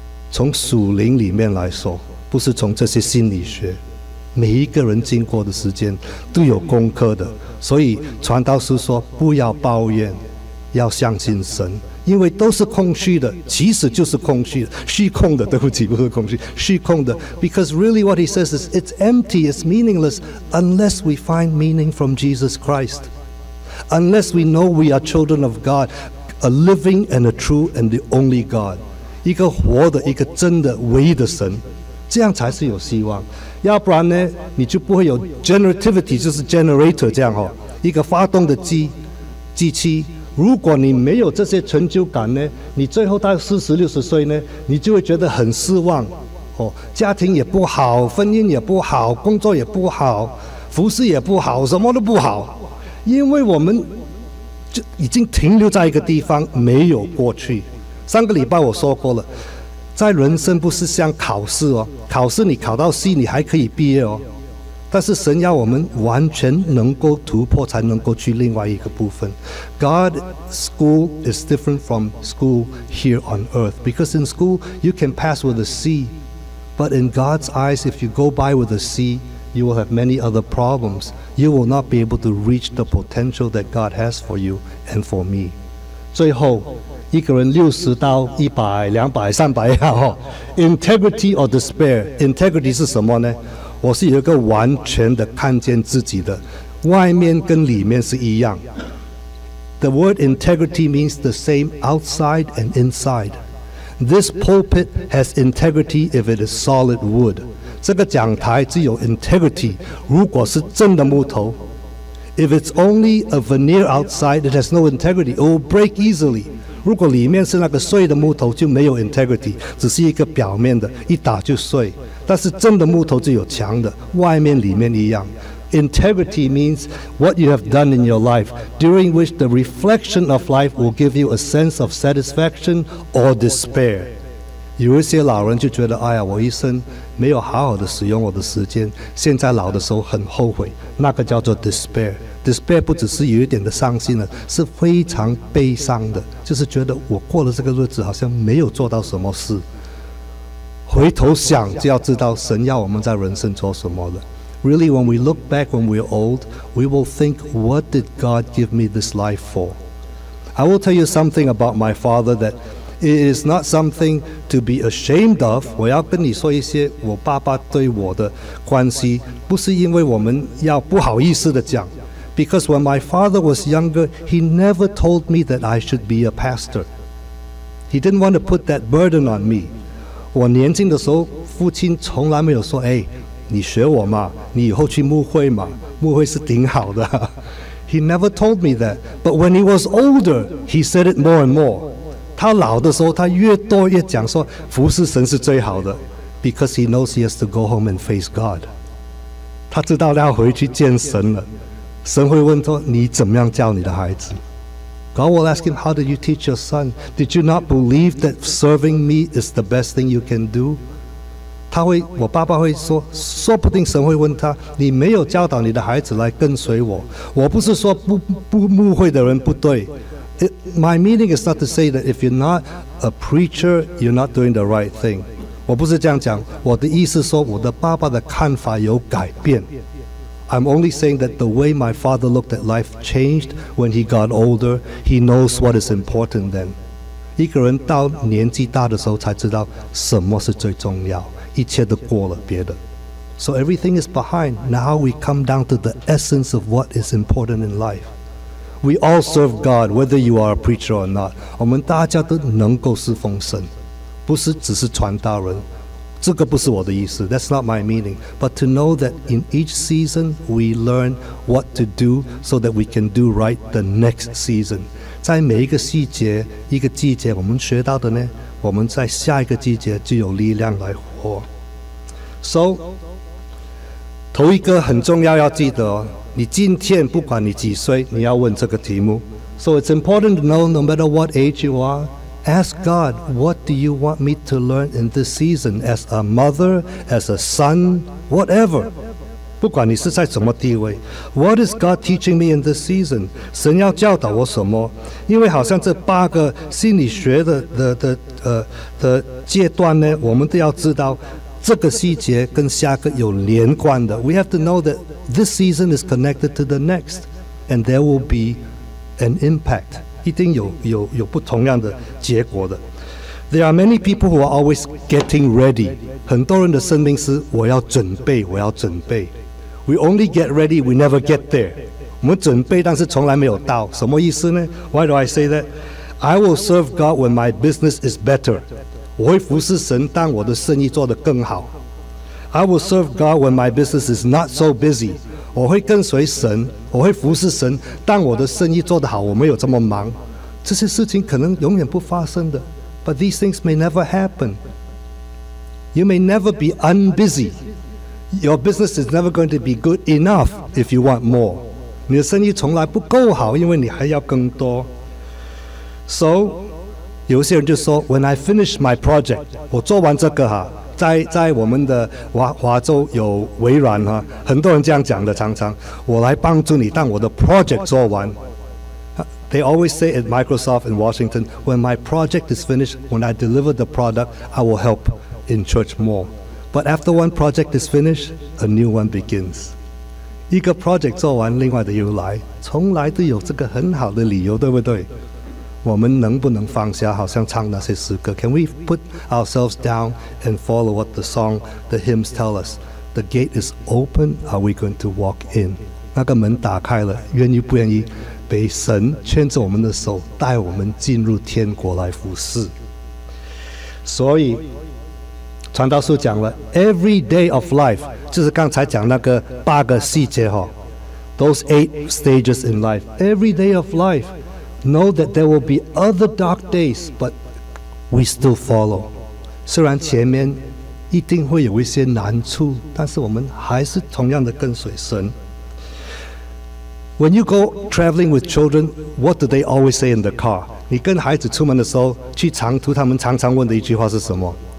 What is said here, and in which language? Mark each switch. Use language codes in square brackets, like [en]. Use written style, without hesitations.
[zh] 从属灵里面来说，不是从这些心理学，每一个人经过的时间都有功课的。所以传道师说不要抱怨，要相信神，因为都是空虚的，其实就是空虚的，虚空的，对不起，不是空虚，虚空的。 [en] Because really what he says is it's empty, it's meaningless unless we find meaning from Jesus Christ, unless we know we are children of God, a living and a true and the only God， [zh] 一个活的，一个真的唯一的神，这样才是有希望。要不然呢，你就不会有 generativity， 就是 generator 这样、哦、一个发动的机器。如果你没有这些成就感呢，你最后到40、60岁呢，你就会觉得很失望、哦、家庭也不好，婚姻也不好，工作也不好，服事也不好，什么都不好，因为我们就已经停留在一个地方，没有过去。上个礼拜我说过了，在人生不是像考试哦，考试你考到 C 你还可以毕业哦，但是神要我们完全能够突破才能够去另外一个部分。 [en] God school is different from school here on earth, because in school you can pass with a C, but in God's eyes if you go by with a C you will have many other problems, you will not be able to reach the potential that God has for you and for me. [zh] 最后一个人60到100、200、300呀、哦、， [en] Integrity or despair？ [zh] Integrity 是什么呢？我是有一个完全的看见自己的，外面跟里面是一样。 [en] The word integrity means the same outside and inside. This pulpit has integrity if it is solid wood. [zh] 这个讲台只有 integrity 如果是真的木头。 [en] If it's only a veneer outside, it has no integrity. It will break easily. [zh] 如果里面是那个碎的木头就没有 integrity， 只是一个表面的，一打就碎。但是真的木头就有强的，外面里面一样。 [en] Integrity means what you have done in your life, during which the reflection of life will give you a sense of satisfaction or despair. [zh] 有一些老人就觉得，哎呀，我一生没有好好的使用我的时间，现在老的时候很后悔，那个叫做 despair。 despair 不只是有一点的伤心了，是非常悲伤的，就是觉得我过了这个日子好像没有做到什么事。回头想就要知道神要我们在人生做什么了。 [en] Really, when we look back when we're old, we will think, what did God give me this life for? I will tell you something about my father that it is not something to be ashamed of. [zh] 我要跟你说一些我爸爸对我的关系，不是因为我们要不好意思的讲。 [en] Because when my father was younger, he never told me that I should be a pastor. He didn't want to put that burden on me. [zh] 我年轻的时候，父亲从来没有说，哎，你学我嘛，你以后去牧会嘛，牧会是挺好的。 [en] He never told me that. But when he was older, he said it more and more. [zh] 他老的时候，他越多越讲说，服侍神是最好的。 [en] Because he knows he has to go home and face God. [zh] 他知道要回去见神了。神会问说，你怎么样教你的孩子？ [en] God will ask him, how did you teach your son? Did you not believe that serving me is the best thing you can do? [zh] 他会，我爸爸会说，说不定神会问他，你没有教导你的孩子来跟随我。我不是说不牧会的人不对。 [en] My meaning is not to say that if you're not a preacher, you're not doing the right thing. [zh] 我不是这样讲，我的意思说，我的爸爸的看法有改变。 [en] I'm only saying that the way my father looked at life changed when he got older. He knows what is important then. [zh] 一个人到年纪大的时候才知道什么是最重要，一切都过了别的。 [en] So everything is behind. Now we come down to the essence of what is important in life. We all serve God, whether you are a preacher or not. [zh] 我们大家都能够侍奉神，不是只是传道人。这个不是我的意思， [en] that's not my meaning. But to know that in each season, we learn what to do so that we can do right the next season. [zh] 在每一个细节，一个季节，我们学到的呢，我们在下一个季节就有力量来活。 So, 头一个很重要要记得哦，你今天不管你几岁，你要问这个题目。 [en] So it's important to know, no matter what age you are,Ask God, what do you want me to learn in this season as a mother, as a son, whatever. [zh] 不管你是在什么地位。 [en] What is God teaching me in this season? [zh] 神要教导我什么？因为好像这八个心理学的阶段呢，我们都要知道这个细节跟下个有连贯的。 [en] We have to know that this season is connected to the next, and there will be an impact. [zh] 一定有不同样的结果的。 [en] There are many people who are always getting ready. [zh] 很多人的生命是我要准备，我要准备。 [en] We only get ready, we never get there. [zh] 我们准备，但是从来没有到。什么意思呢？ [en] Why do I say that? I will serve God when my business is better. [zh] 我会服侍神，当我的生意做得更好。 [en] I will serve God when my business is not so busy. [zh] 我会跟随神，我会服侍神，当我的生意做得好，我没有这么忙。这些事情可能永远不发生的。 [en] But these things may never happen. You may never be unbusy. Your business is never going to be good enough if you want more. [zh] 你的生意从来不够好，因为你还要更多。 So, 有些人就说 , [en] When I finish my project, [zh] 我做完这个哈。在我们的华州有微软哈，很多人这样讲的，常常我来帮助你，但我的 project 做完。 [en] They always say at Microsoft in Washington, when my project is finished, when I deliver the product, I will help in church more. But after one project is finished, a new one begins. [zh] 一个 project 做完，另外的又来，从来都有这个很好的理由，对不对？我们能不能放下，好像唱那些诗歌。 [en] Can we put ourselves down and follow what the song, the hymns tell us? The gate is open, are we going to walk in? [zh] 那个门打开了，愿意不愿意被神牵着我们的手，带我们进入天国来服侍。所以，传道书讲了 [en] ,every day of life, [zh] 就是刚才讲那个八个细节哦， [en] those eight stages in life, every day of life,Know that there will be other dark days, but we still follow. [zh] 虽然前面一定会有一些难处，但是我们还是同样的跟随神。 [en] When you go traveling with children, what do they always say in the car? [zh] 你跟孩子出门的时候，去长途，他们常常问的一句话是什么？